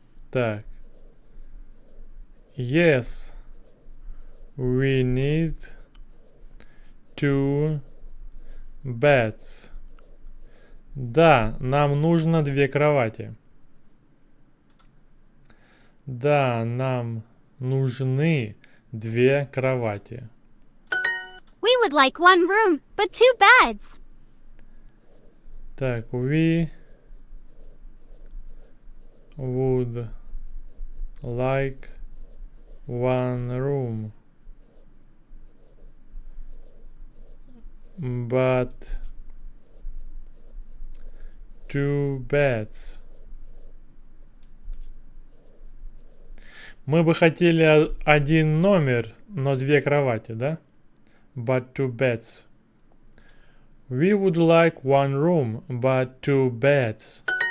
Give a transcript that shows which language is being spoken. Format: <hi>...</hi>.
<en>Так. Yes, we need two beds.</en> <ru>Да, нам нужно две кровати. Да, нам нужны две кровати.</ru> <en>We would like one room, but two beds. Так, we would like one room, but two beds.</en> <ru>Мы бы хотели один номер, но две кровати, да?</ru> <en>But two beds. We would like one room, but two beds.</en>